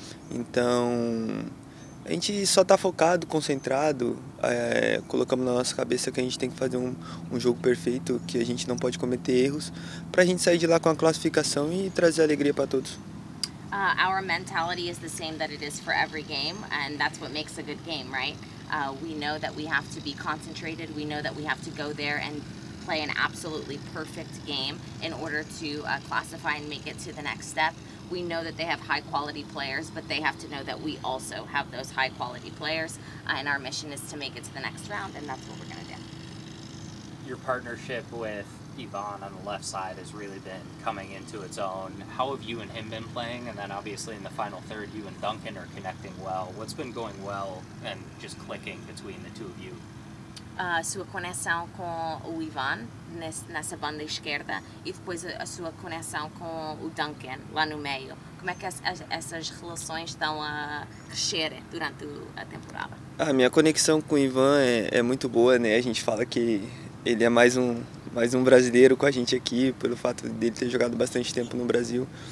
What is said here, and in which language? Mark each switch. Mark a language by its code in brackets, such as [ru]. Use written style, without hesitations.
[pt] Então, a gente só está focado, concentrado, colocamos na nossa cabeça que a gente tem que fazer um jogo perfeito, que a gente não pode cometer erros, para a gente sair de lá com a classificação e trazer alegria para todos. [en] Our mentality is the same that it is for every game, and that's what makes a good game, right? We know that we have to be concentrated, we know that we have to go there and play an absolutely perfect game in order to classify and make it to the next step. We know that they have high quality players, but they have to know that we also have those high quality players, and our mission is to make it to the next round, and that's what we're going to do. Your partnership with Yvonne on the left side has really been coming into its own. How have you and him been playing? And then obviously in the final third, you and Duncan are connecting well. What's been going well and just clicking between the two of you? [pt] Sua conexão com o Ivan nessa banda esquerda e depois a sua conexão com o Duncan lá no meio. Como é que essas relações estão a crescer durante a temporada? A minha conexão com o Ivan é muito boa, né? A gente fala que ele é mais um brasileiro com a gente aqui, pelo fato dele ter jogado bastante tempo no Brasil.